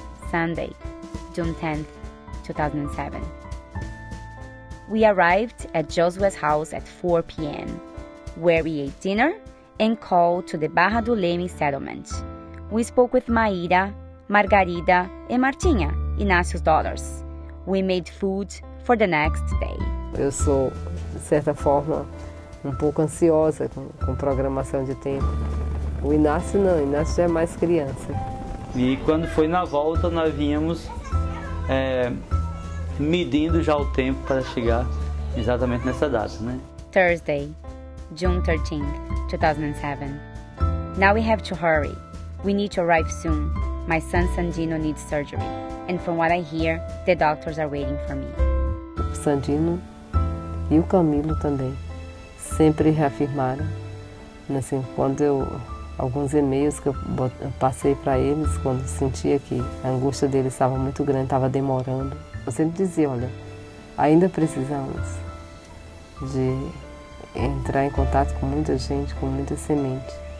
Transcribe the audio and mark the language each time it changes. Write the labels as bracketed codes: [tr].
[en] Sunday, June 10th, 2007. We arrived at Josué's house at 4 p.m. where we ate dinner and called to the Barra do Leme settlement. We spoke with Maíra, Margarida, and Martinha, Inácio's daughters. We made food for the next day. [pt] Eu sou, de certa forma, um pouco ansiosa com programação de tempo. O Inácio não, o Inácio é mais criança. E quando foi na volta, nós vínhamos medindo já o tempo para chegar exatamente nessa data, né? [en] Thursday. June 13th, 2007. Now we have to hurry. We need to arrive soon. My son Sandino needs surgery. And from what I hear, the doctors are waiting for me. [pt] O Sandino e o Camilo também sempre reafirmaram, assim, quando eu, alguns e-mails que eu passei para eles, quando sentia que a angústia deles estava muito grande, estava demorando, eu sempre dizia, olha, ainda precisamos de entrar em contato com muita gente, com muita semente.